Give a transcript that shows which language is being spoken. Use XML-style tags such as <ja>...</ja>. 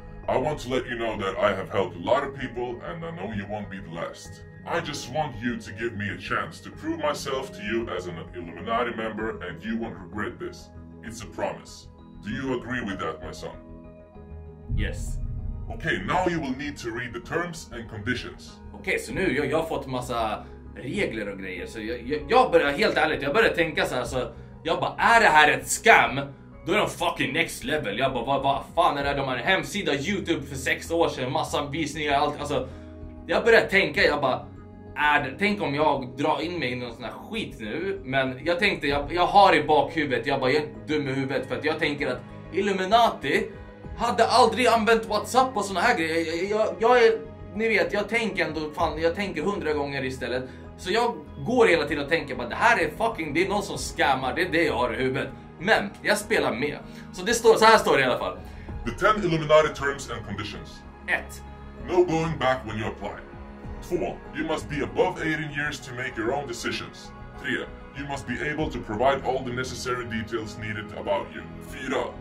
<en>I want to let you know that I have helped a lot of people and I know you won't be the last. I just want you to give me a chance to prove myself to you as an Illuminati member and you won't regret this. It's a promise. Do you agree with that, my son? Yes. Okay, now you will need to read the terms and conditions.</en> <sv>Okay, så nu jag har fått massa regler och grejer, så jag börjar helt ärligt, jag börjar tänka så här, så jag bara är det här ett scam? Då är de fucking next level. Jag bara vad fan är det, de har en hemsida, YouTube för 6 år sedan, massa visningar, allt. Alltså jag började tänka, jag bara tänk om jag drar in mig i någon sån här skit nu. Men jag tänkte, jag har i bakhuvudet, jag bara jag är dum i huvudet, för att jag tänker att Illuminati hade aldrig använt WhatsApp och såna här grejer. Jag tänker 100 gånger istället. Så jag går hela tiden och tänker bara det här är fucking, det är någon som scammar, det är det jag har i huvudet. Men jag spelar med. Så det står så här, står det i alla fall.</sv> <en>The 10 Illuminati terms and conditions. 1. No going back when you apply. 2. You must be above 18 years to make your own decisions. 3. You must be able to provide all the necessary details needed about you. 4.</en>